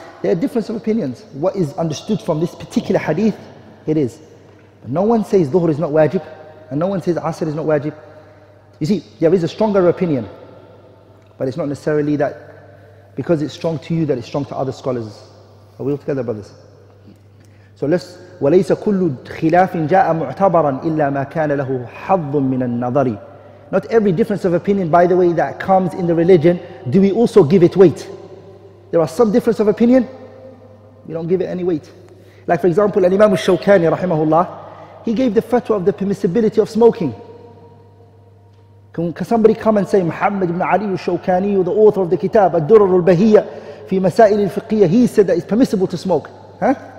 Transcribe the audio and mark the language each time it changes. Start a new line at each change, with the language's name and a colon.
English: There are differences of opinions. What is understood from this particular hadith, it is. But no one says duhur is not wajib, and no one says asr is not wajib. You see, there is a stronger opinion, but it's not necessarily that, because it's strong to you, that it's strong to other scholars. Are we all together, brothers? So let's...
Arabic: وليس كل خلاف جاء معتبرا إلا ما كان له حظ من النظر.
English: Not every difference of opinion, by the way, that comes in the religion, do we also give it weight? There are some difference of opinion, we don't give it any weight. Like for example, Imam al-Shawkani rahimahullah, he gave the fatwa of the permissibility of smoking. Can somebody come and say Muhammad ibn Ali al-Shawkani, the author of the kitab Ad-Durr al-Bahiyya fi Masail al-Fiqhiyya, he said that it's permissible to smoke, huh?